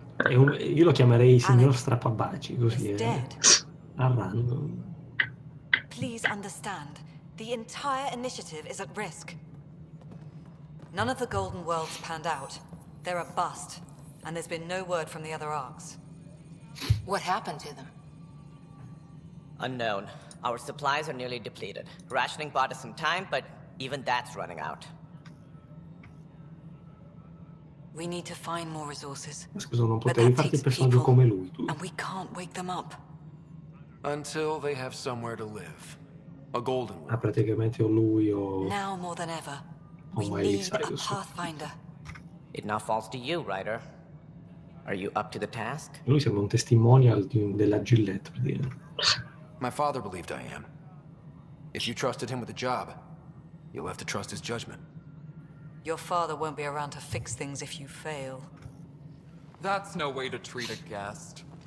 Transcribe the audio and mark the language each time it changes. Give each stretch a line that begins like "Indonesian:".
Italian: Io lo chiamerei signor strappabaci, così a random.
English: Please understand, the entire initiative is at risk. None of the Golden Worlds panned out. They're a bust, and there's been no word from the other arcs. What happened to them? Unknown. Our supplies are nearly depleted. Rationing bought us some time, but even that's running out. We need to find more resources.
Italian: Scusa, non potevi farti il personaggio come lui, tu.
English: And we can't wake them up. Until they have somewhere to live. A golden one.
Italian: Ah, praticamente o lui o...
English: Now more than ever, we need a Pathfinder. It now falls to you, Ryder. Are you up to the task?
Italian: Lui sembra un testimonial della Gillette, per dire.
English: My father believed I am. If you trusted him with a job, you'll have to trust his judgment. Your father won't be around to fix things if you fail. That's no way to treat a guest.